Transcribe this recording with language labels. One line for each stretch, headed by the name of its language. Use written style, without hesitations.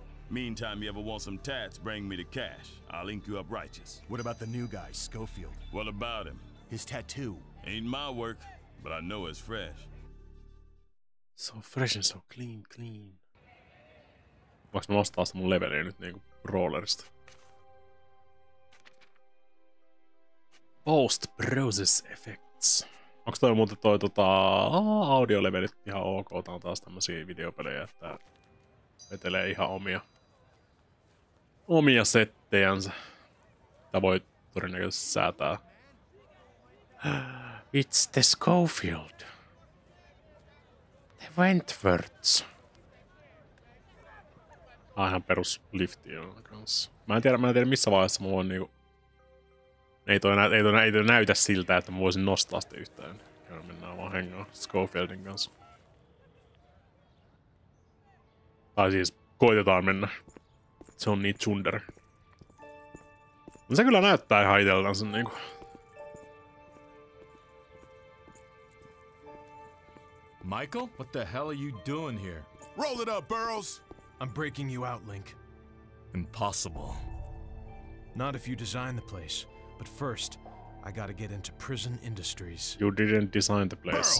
English: Meantime, you ever want some tats, bring me the cash. I'll link you up righteous. What about the new guy, Schofield? What about him? His tattoo. Ain't my work, but I know it's fresh. So fresh and so clean.
Finnish: Voinko mä nostaa sitä mun leveliä nyt niinku brawlerista?
English: Post-process effects.
Finnish: Onks toi muuten toi audiolevelit ihan ok? Tää on taas tämmösiä videopelejä, että vetelee ihan omia settejänsä. Tää voi todennäköisesti säätää.
English: It's the Schofield. The Wentworths.
Finnish: Aihan perus lifti on kans. Mä en tiedä missä vaiheessa mä voin niinku... Ei toi näytä siltä, että mä voisin nostaa sitä yhtään. Kyllä mennään vaan hengaa Schofieldin kanssa. Tai siis koitetaan mennä. Se on niin tsunder. Se kyllä näyttää ihan itseltänsä niinku...
English: Michael, what the hell are you doing here? Roll it up, Burroughs! I'm breaking you out, Link. Impossible. Not if you design the place. But first, I gotta get into prison industries. You didn't design the place.